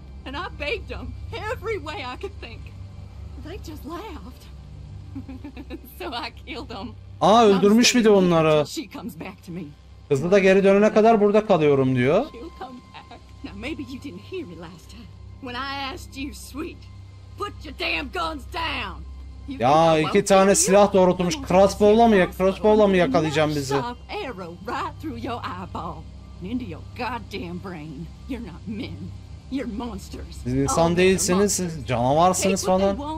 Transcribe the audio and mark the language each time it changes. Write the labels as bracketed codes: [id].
[en] And I begged them every way I could think. They just laughed. So I killed them. [tr] Aa öldürmüş bir de onları. Kızı da geri dönene kadar burada kalıyorum diyor. [en] Now maybe you didn't hear me last time. When I asked you, sweet, put your damn guns down. [tr] Ya iki tane silah doğrultmuş. Crossbow'la mı ya? Crossbow'la mı yakalayacağım bizi? [en] Arrow right through your eyeball, into your goddamn brain. You're not men. You're monsters. [tr] Siz insan değilsiniz, siz canavarsınız falan.